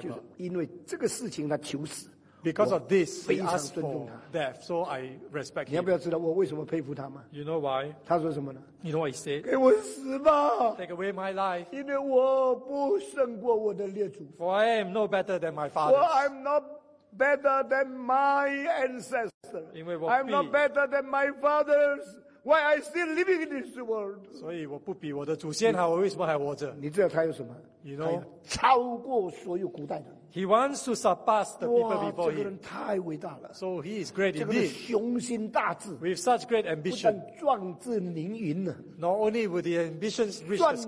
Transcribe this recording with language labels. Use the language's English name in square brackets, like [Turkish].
[Chinese] 就是因为这个事情他求死。 [English] Because of this, he asked for death, so I respect him. [Chinese] 你要不要知道我为什么佩服他吗？ [English] You know why? [Chinese] 他说什么呢？ [English] You know what he said? [Chinese] 给我死吧！ [English] Take away my life. [Chinese] 因为我不胜过我的列祖。 [English] For I am no better than my father. For I'm not better than my ancestor. [Chinese] 因为我 [English] I'm not better than my father's. Why I still living in this world? [Chinese] 所以我不比我的祖先好，我为什么还活着？你知道他有什么？ [English] You know? [Chinese] 超过所有古代的。 [English] He wants to surpass the people before him. [Chinese] 这个人太伟大了。 [English] So he is great indeed. [Chinese] 这个人雄心大志。 [English] With such great ambition. [Chinese] 不但壮志凌云呢。 [English] Not only would the ambitions reach the sky.